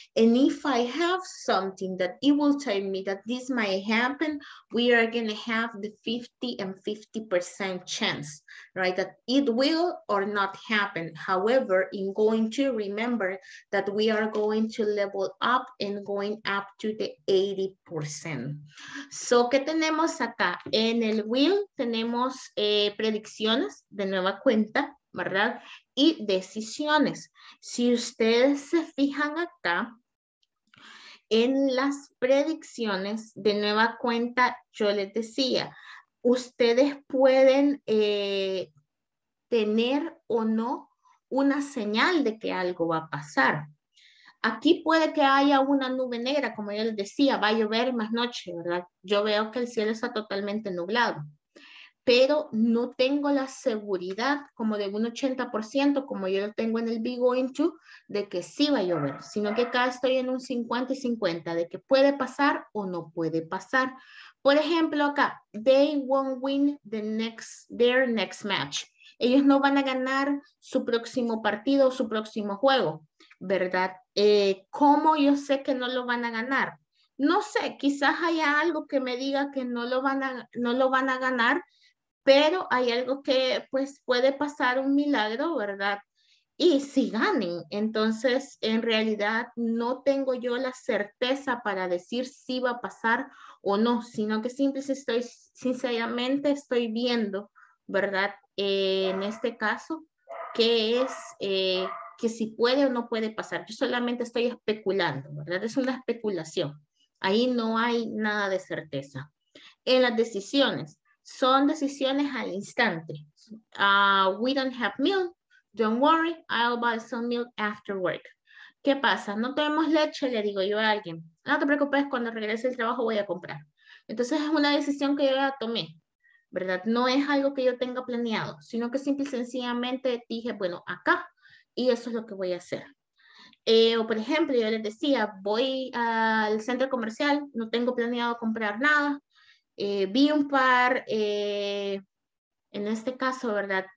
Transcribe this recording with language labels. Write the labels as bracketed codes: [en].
[en] And if I have something that it will tell me that this might happen, we are gonna have the 50 and 50% chance, right? That it will or not happen. However, in going to, remember that we are going to level up and going up to the 80%. [es] So, ¿qué tenemos acá? En el will tenemos predicciones de nueva cuenta, ¿verdad? Y decisiones. Si ustedes se fijan acá, en las predicciones, de nueva cuenta, yo les decía, ustedes pueden tener o no una señal de que algo va a pasar. Aquí puede que haya una nube negra, como yo les decía, va a llover más noche, ¿verdad? Yo veo que el cielo está totalmente nublado. pero no tengo la seguridad como de un 80%, como yo lo tengo en el Be Going To, de que sí va a llover, sino que acá estoy en un 50 y 50, de que puede pasar o no puede pasar. Por ejemplo, acá, [en] they won't win their next match. [es] Ellos no van a ganar su próximo partido o su próximo juego, ¿verdad? ¿Cómo yo sé que no lo van a ganar? No sé, quizás haya algo que me diga que no lo van a ganar, pero hay algo que pues puede pasar un milagro, ¿verdad? Y si ganen, entonces en realidad no tengo yo la certeza para decir si va a pasar o no, sino que sinceramente estoy viendo, ¿verdad? En este caso, qué es, que si puede o no puede pasar. Yo solamente estoy especulando, ¿verdad? Es una especulación. Ahí no hay nada de certeza. En las decisiones, son decisiones al instante. [en] We don't have milk. Don't worry, I'll buy some milk after work. [es] ¿Qué pasa? No tenemos leche, le digo yo a alguien. No te preocupes, cuando regrese el trabajo voy a comprar. Entonces es una decisión que yo ya tomé, ¿verdad? No es algo que yo tenga planeado, sino que simple y sencillamente dije, bueno, acá, y eso es lo que voy a hacer. O por ejemplo, yo les decía, voy al centro comercial, no tengo planeado comprar nada, vi un par, en este caso, ¿verdad?